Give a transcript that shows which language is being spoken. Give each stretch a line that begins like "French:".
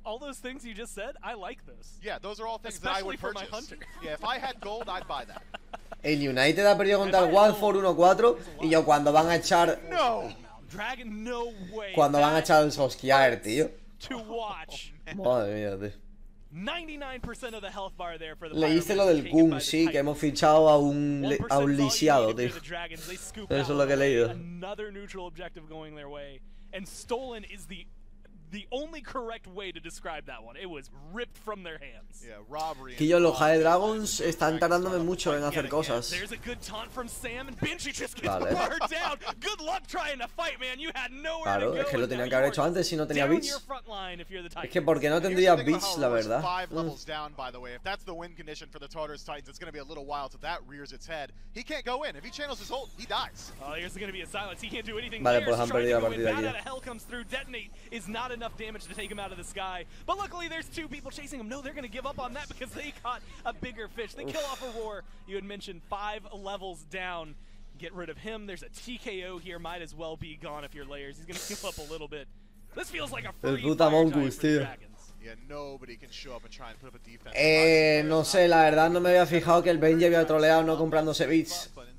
English: All those things you just said, I like this. Yeah, those are all things especially that I would for purchase. My hunter. Yeah, if I had gold, I'd buy that.
Spanish: El United ha perdido contra el Watford 1-4 y yo cuando van a echar...
English: No! Dragon, no way!
Spanish: Cuando van a echar el Solskjaer, tío.
English: To watch.
Spanish: Madre mía, tío.
English: 99% of the health bar there for the
Spanish: leíste lo del Goon, sí, que hemos fichado a un lisiado, tío. Eso es lo que he leído.
English: Another neutral objective going their way. And stolen is the only correct way to describe that one. It was ripped from their hands. Yeah, robbery.
Spanish: Que yo, los High Dragons están tardándome mucho en hacer cosas.
English: There's a good taunt from Sam, and Benji just gets burned down. Good luck trying to fight, man. You had nowhere
Spanish: claro,
English: to go.
Spanish: Claro, es que lo tenía que haber hecho antes si no tenía beats. Es que porque no tendría beats, la verdad.
English: Five levels down, by the way. If that's the win condition for the Tartarus Titans, it's going to be a little while till that rears its head. He can't go in. If he channels his ult, he dies. Oh, there's going to be a silence. He can't do anything.
Spanish: Vale, pues han perdido la partida
English: aquí. Hell comes through. Detonate is not enough damage to take him out of the sky, but luckily there's two people chasing him. No, they're gonna give up on that because they caught a bigger fish. They kill off a war. You had mentioned five levels down, get rid of him. There's a TKO here, might as well be gone if you're layers. He's gonna skip up a little bit. This feels like a free
Spanish: puta
English: mongoose,
Spanish: tío.
English: Yeah, nobody can show up and try and put up a defense.
Spanish: No sé, la verdad no me había fijado que el Benji había troleado no comprándose beats.